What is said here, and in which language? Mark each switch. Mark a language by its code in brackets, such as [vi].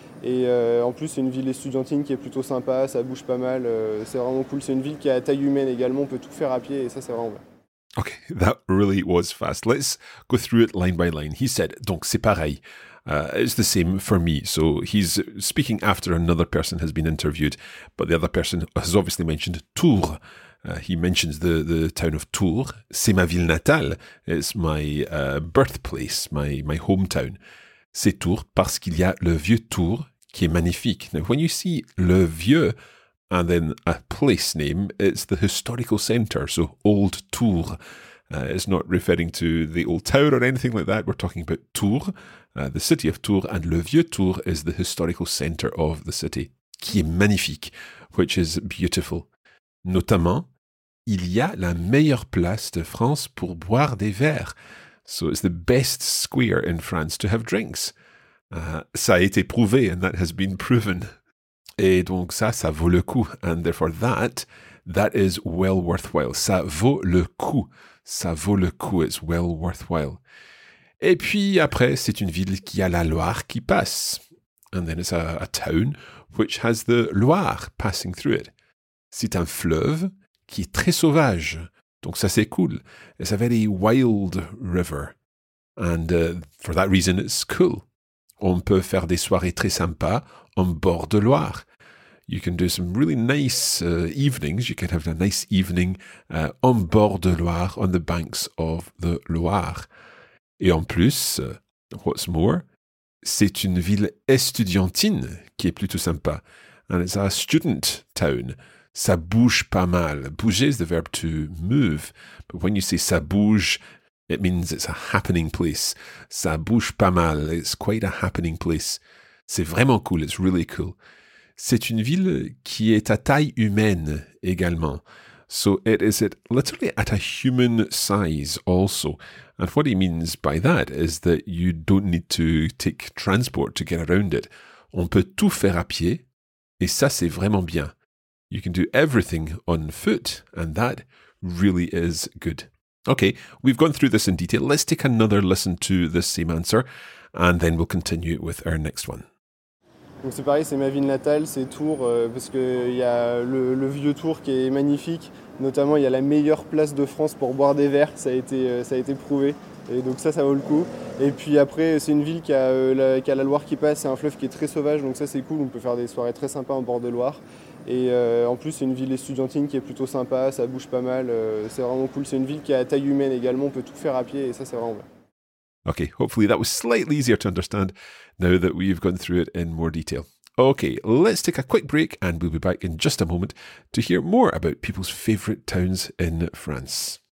[fr] Et en plus, c'est une ville estudiantine qui est plutôt sympa, ça bouge pas mal, c'est vraiment cool. C'est une ville qui a taille humaine également, on peut tout faire à pied et ça, c'est vraiment bien. [en] Ok, that really was fast. Let's go through it line by line. He said, donc c'est pareil, it's the same for me. So he's speaking after another person has been interviewed, but the other person has obviously mentioned Tours. He mentions the town of Tours. C'est ma ville natale, it's my birthplace, my hometown. [fr] C'est Tours parce qu'il y a le vieux Tours qui est magnifique. [en] Now, when you see le vieux and then a place name, it's the historical center, so old Tours. It's not referring to the old tower or anything like that. We're talking about Tours, the city of Tours, and le vieux Tours is the historical center of the city, qui est magnifique, which is beautiful. [fr] Notamment, il y a la meilleure place de France pour boire des verres. [en] So it's the best square in France to have drinks. [fr] Ça a été prouvé, and that has been proven. Et donc ça vaut le coup. And therefore that is well worthwhile. Ça vaut le coup. ça vaut le coup, it's well worthwhile. Et puis après, c'est une ville qui a la Loire qui passe. [en] And then it's a town which has the Loire passing through it. [fr] C'est un fleuve qui est très sauvage. Donc ça, c'est cool. [en] It's a very wild river. And for that reason, it's cool. [fr] On peut faire des soirées très sympas en bord de Loire. [en] You can do some really nice evenings. You can have a nice evening en bord de Loire, on the banks of the Loire. [fr] Et en plus, what's more, c'est une ville estudiantine qui est plutôt sympa. [en] And it's a student town. Ça bouge pas mal. Bouger is the verb to move. But when you say ça bouge, it means it's a happening place. Ça bouge pas mal. It's quite a happening place. C'est vraiment cool. It's really cool. [fr] C'est une ville qui est à taille humaine également. [en] So it is it literally at a human size also. And what he means by that is that you don't need to take transport to get around it. [fr] On peut tout faire à pied, et ça c'est vraiment bien. [en] You can do everything on foot, and that really is good. Okay, we've gone through this in detail. Let's take another listen to the same answer, and then we'll continue with our next one. [fr] Donc c'est pareil, c'est ma ville natale, c'est Tours, parce qu'il y a le vieux Tours qui est magnifique. Notamment, il y a la meilleure place de France pour boire des verres, ça a été prouvé. Et donc ça vaut le coup. Et puis après, c'est une ville qui a la Loire qui passe, c'est un fleuve qui est très sauvage, donc ça c'est cool, on peut faire des soirées très sympas en bord de Loire. Et en plus, c'est une ville estudiantine qui est plutôt sympa, ça bouge pas mal, c'est vraiment cool. C'est une ville qui est à taille humaine également, on peut tout faire à pied et ça c'est vraiment bien. [en] Okay, hopefully that was slightly easier to understand now that we've gone through it in more detail. Okay, let's take a quick break and we'll be back in just a moment to hear more about people's favourite towns in France.